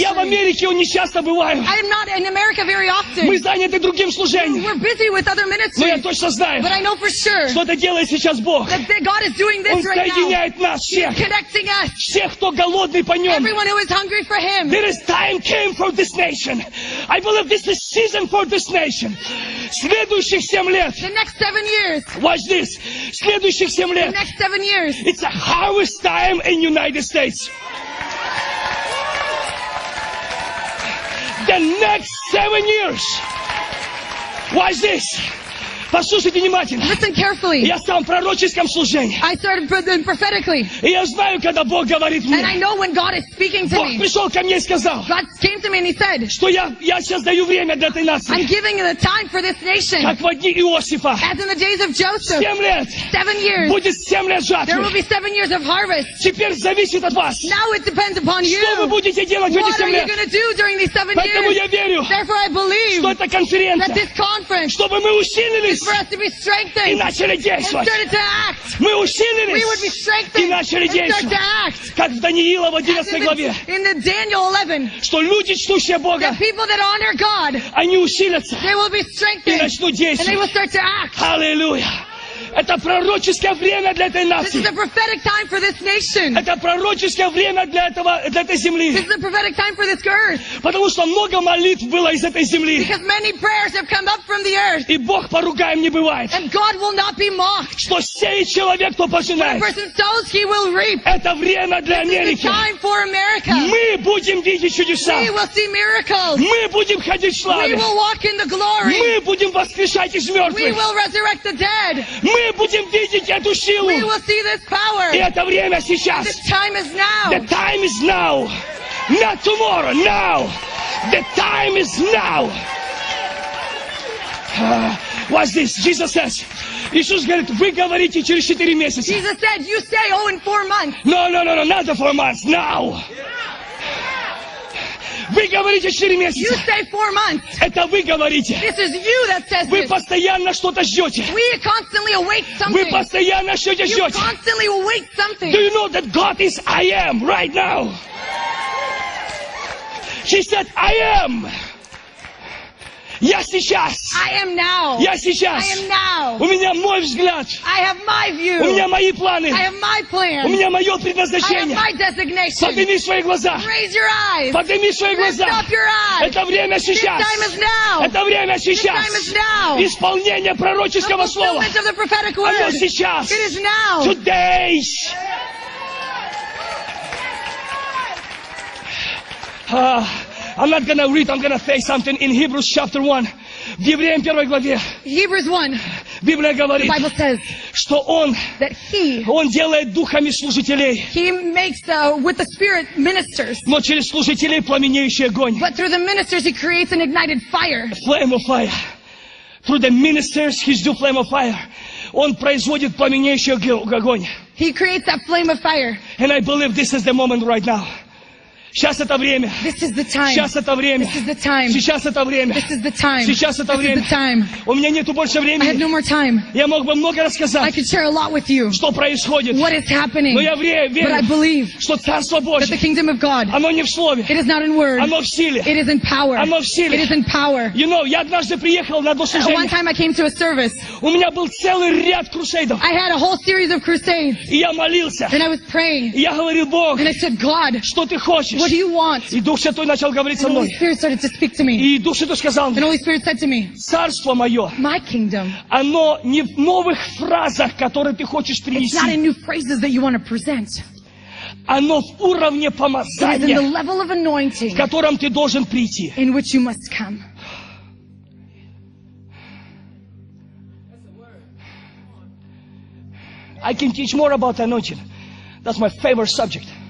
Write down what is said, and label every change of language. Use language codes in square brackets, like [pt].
[ru] Я в Америке нечасто бываю. [en] I am not in America very often. [ru] Мы заняты другим служением. [en] We're busy with other ministries. [ru] Но я точно знаю. [en] But I know for sure. [ru] Что это делает сейчас Бог. [en] That God is doing this [ru] Он [en] right now. [ru] Он соединяет нас всех. [en] He's connecting us. [ru] Всех, кто голодный по Нем. [en] Everyone who is hungry for Him. There is time came for this nation. I believe this is season for this nation. [ru] Следующих 7 лет. [en] The next 7 years. Watch this. [ru] Следующих 7 лет. [en] The next 7 years. It's a harvest time in United States. The next 7 years. Watch this. [ru] Послушайте внимательно. [en] Listen carefully. [ru] Я сам в пророческом служении. [en] I started prophetically. [ru] И я знаю, когда Бог говорит мне. [en] And I know when God is speaking to [ru] Бог [en] me. [ru] Бог пришел ко мне и сказал. [en] God came to me and he said. [ru] Что я сейчас даю время для этой нации. [en] I'm giving the time for this nation. [ru] Как в дни Иосифа. [en] As in the days of Joseph. [ru] 7 лет. [en] 7 years. [ru] Будет 7 лет жатвы. [en] There will be 7 years of harvest. [ru] Теперь зависит от вас. [en] Now it depends upon you. [ru] Что вы будете делать в эти 7 лет? [en] What are you going to do during these 7 years? [ru] Поэтому я верю. [en] Therefore I believe. [ru] Что это конференция. [en] That this conference. [ru] Чтобы мы усилились. [en] For us to be strengthened and started to act. We would be strengthened and started to act. [ru] Как в Даниила в 11 главе. [en] In the Daniel 11. [ru] Что люди, чтущие Бога. [en] The people that honor God. [ru] Они усилятся. [en] They will be strengthened. [ru] И начнут действовать. [en] And they will start to act. Hallelujah. [ru] Это пророческое время для этой нации. [en] This is a prophetic time for this nation. [ru] Это пророческое время для этой земли. [en] This is a prophetic time for this earth. [ru] Потому что много молитв было из этой земли. [en] Because many prayers have come up from the earth. [ru] И Бог поругаем не бывает. [en] And God will not be mocked. [ru] Что сеет человек, то пожинает. [en] What a person sows, he will reap. [ru] Это время для Америки. [en] This is a time for America. [ru] Мы будем видеть чудеса. [en] We will see miracles. [ru] Мы будем ходить в славе. [en] We will walk in the glory. [ru] Мы будем воскрешать из мертвых. [en] We will resurrect the dead. [ru] Мы будем видеть эту силу. [en] We will see this power. [ru] И это время сейчас. [en] The time is now. The time is now. Not tomorrow. Now. The time is now. Watch this. Jesus says, [ru] Иисус говорит, вы говорите через 4 месяца. [en] Jesus said, you say, oh, in 4 months. No, not the 4 months, now. [ru] Вы говорите 4 месяца. [en] You say 4 months. [ru] Это вы говорите. [en] This is you that says [ru] вы постоянно что-то ждете. [en] We constantly await something. [ru] Вы постоянно что-то ждете. [en] You constantly await something. Do you know that God is I am right now? She said, I am. [ru] Я сейчас. [en] I am now. [ru] Я сейчас. [en] I am now. [ru] У меня мой взгляд. [en] I have my view. [ru] У меня мои планы. [en] I have my plan. [ru] У меня мое предназначение. [en] I have my designation. [ru] Подними свои глаза. [en] Raise your eyes. [ru] Подними свои глаза. [en] Lift up your eyes. [ru] Это время сейчас. [en] This time is now. [ru] Это время сейчас. [en] This time is now. [ru] Исполнение пророческого слова. [en] The fulfillment of the prophetic word. [ru] Оно сейчас. [en] It is now. Today. I'm not gonna read, I'm gonna say something in Hebrews chapter 1. [ru] В Евреям первой главе. [en] Hebrews 1. [ru] Библия говорит, [en] the Bible says, [ru] что он, [en] that he, [ru] он делает духами служителей. [en] He makes with the spirit ministers. [ru] Но через служителей пламенеющий огонь. [en] But through the ministers he creates an ignited fire. Flame of fire. Through the ministers he's do flame of fire. [ru] Он производит пламенеющий огонь. [en] He creates that flame of fire. And I believe this is the moment right now. [ru] Сейчас это время. [en] This is the time. [ru] Сейчас это время. [en] This is the time. [ru] Сейчас это время. [en] This is the time. [ru] Сейчас это [en] this [ru] время. [en] Is the time. [ru] У меня нету больше времени. [en] I have no more time. [ru] Я мог бы много рассказать. [en] I could share a lot with you. [ru] Что происходит? [en] What is happening? [ru] Но я верю. [en] But I believe. [ru] Что Царство Божье. [en] That the kingdom of God. [ru] Оно не в слове. [en] It is not in word. [ru] Оно в силе. [en] It is in power. [ru] Оно в силе. [en] It is in power. You know, [ru] я однажды приехал на одно служение. [en] One time I came to a service. [ru] У меня был целый ряд крусейдов. [en] I had a whole series of crusades. [ru] И я молился. [en] And I was praying. [ru] И я говорил Бог. [en] And I said, God. [ru] Что ты хочешь? [en] What do you want? [ru] И Дух Святой начал говорить со мной. [en] And the Holy Spirit started to speak to me. [ru] И Дух Святой сказал мне. [en] And the Holy Spirit said to me. [ru] Царство мое. [en] My kingdom. [ru] Оно не в новых фразах, которые ты хочешь принести. [en] It's not in new phrases that you want to present. [ru] Оно в уровне помазания. [en] It is in the level of anointing. [ru] В котором ты должен прийти. [en] In which you must come. I can teach more about anointing. That's my favorite subject.